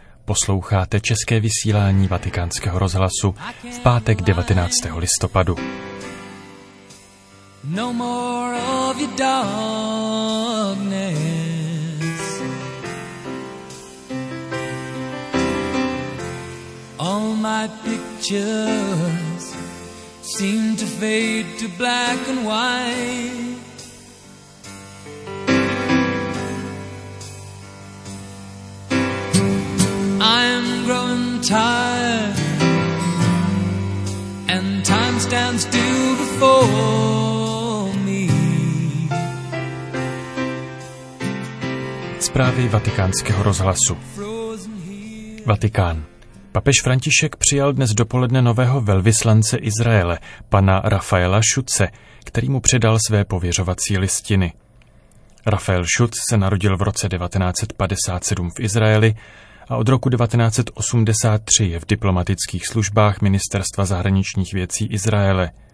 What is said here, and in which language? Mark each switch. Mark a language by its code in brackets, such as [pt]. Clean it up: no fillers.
[cs] Posloucháte české vysílání Vatikánského rozhlasu v pátek 19. listopadu. [en] No more of your darkness. All my pictures seem to fade to black and white. I'm growing tired, and time stands still before me. [cs] Zprávy Vatikánského rozhlasu. Vatikán. Papež František přijal dnes dopoledne nového velvyslance Izraele, pana Rafaela Schutze, který mu předal své pověřovací listiny. Rafael Schutz se narodil v roce 1957 v Izraeli a od roku 1983 je v diplomatických službách Ministerstva zahraničních věcí Izraele.